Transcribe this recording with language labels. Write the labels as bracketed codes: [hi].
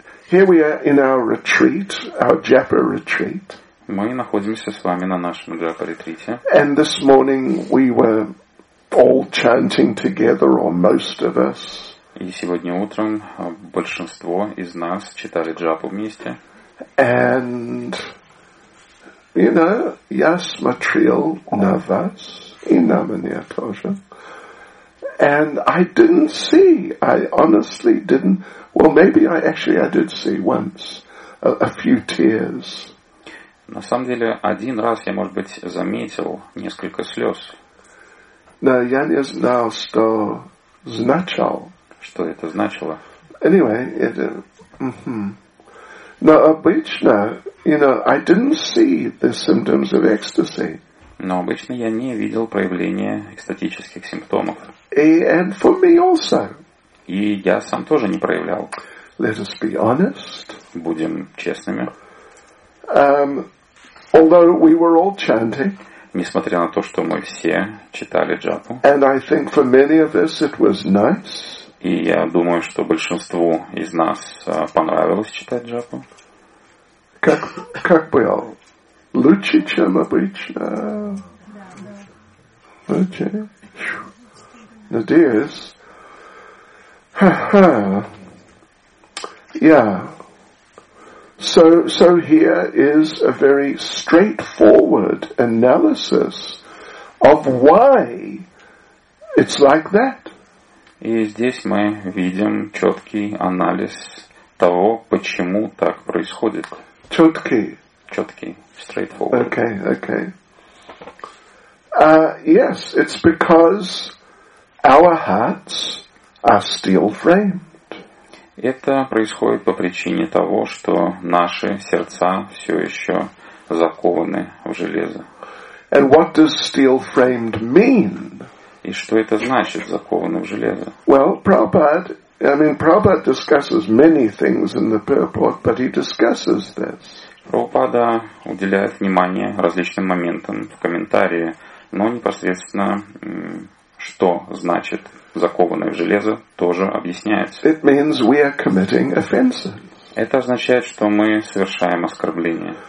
[en] Here we are in our retreat, our Japa retreat. [ru] Мы находимся с вами на нашем Japa ретрите. [en] And this morning we were all chanting together, or most of us. [ru] И сегодня утром большинство из нас читали Japa вместе. [en] And, you know, [ru] я смотрел на вас и на меня тоже. [en] And I didn't see, I honestly didn't, well, maybe I did see once, a few tears. [ru] На самом деле, один раз я, может быть, заметил несколько слез. Но я не знал, что значило. Что это значило? [en] Anyway, it, [ru] Но обычно, [en] you know, I didn't see the symptoms of ecstasy. [ru] Но обычно я не видел проявления экстатических симптомов. [en] And for me also. [ru] И я сам тоже не проявлял. [en] Let us be honest. [ru] Будем честными. [en] Although we were all chanting. [ru] Несмотря на то, что мы все читали джапу. [en] And I think for many of us it was nice. [ru] И я думаю, что большинству из нас понравилось читать джапу. Как был? Лучше, чем обычно. Okay. Надеюсь. [en] Yeah. So here is a very straightforward analysis of why it's like that. [ru] И здесь мы видим четкий анализ того, почему так происходит. Четкий. [en] Straightforward. Okay. Yes, it's because our hearts are steel framed. [ru] Это происходит по причине того, что наши сердца все еще закованы в железо. [en] And what does steel framed mean? [ru] И что это значит, закованы в железо? [en] Well, Prabhupada discusses many things in the purport, but he discusses this. [ru] Прабхупада уделяет внимание различным моментам в комментарии, но непосредственно что значит закованное в железо, тоже объясняется. [en] It means we are committing offenses. [ru] Это означает, что мы совершаем оскорбление.